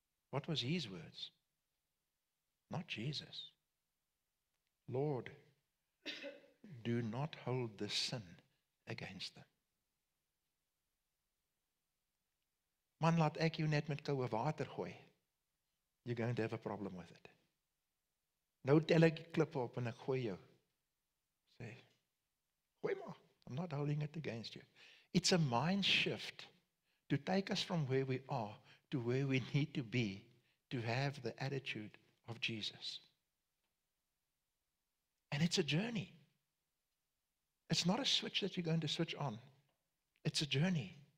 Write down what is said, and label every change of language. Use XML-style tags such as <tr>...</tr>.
<en>What was his words? Not Jesus. Lord, do not hold this sin against them.</en> <af>Man, laat ek jou net met koue water gooi.</af> <en>You're going to have a problem with it.</en> <af>Nou tel ek klip op en ek gooi jou. Say, gooi maar.</af> <en>I'm not holding it against you. It's a mind shift to take us from where we are to where we need to be to have the attitude of Jesus. And it's a journey. It's not a switch that you're going to switch on. It's a journey.</en>